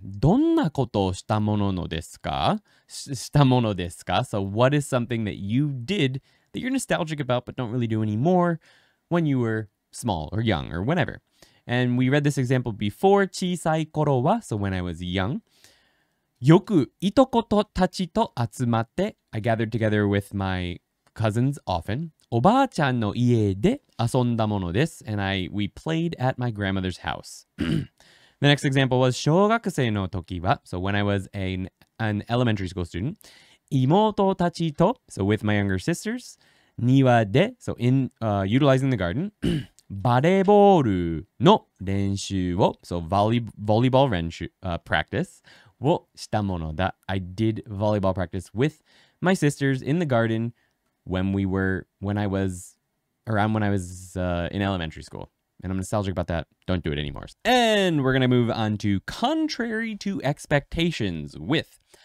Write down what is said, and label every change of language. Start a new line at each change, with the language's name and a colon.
Japanese: どんなことをしたもののですか? したものですか?
English: So what is something that you did... that you're nostalgic about but don't really do anymore when you were small or young or whenever. And we read this example before,
Japanese: 小さい頃は,
English: so when I was young,
Japanese: よくいとことたちと集まって,
English: I gathered together with my cousins often,
Japanese: おばあちゃんの家で遊んだものです,
English: and we played at my grandmother's house. The next example was,
Japanese: 小学生の時は,
English: so when I was an elementary school student,
Japanese: 妹たちと
English: so with my younger sisters
Japanese: 庭で
English: so in utilizing the garden
Japanese: バレーボールの練習を
English: so volleyball practice
Japanese: をしたものだ
English: I did volleyball practice with my sisters in the garden when I was in elementary school and I'm nostalgic about that don't do it anymore and we're gonna move on to contrary to expectations with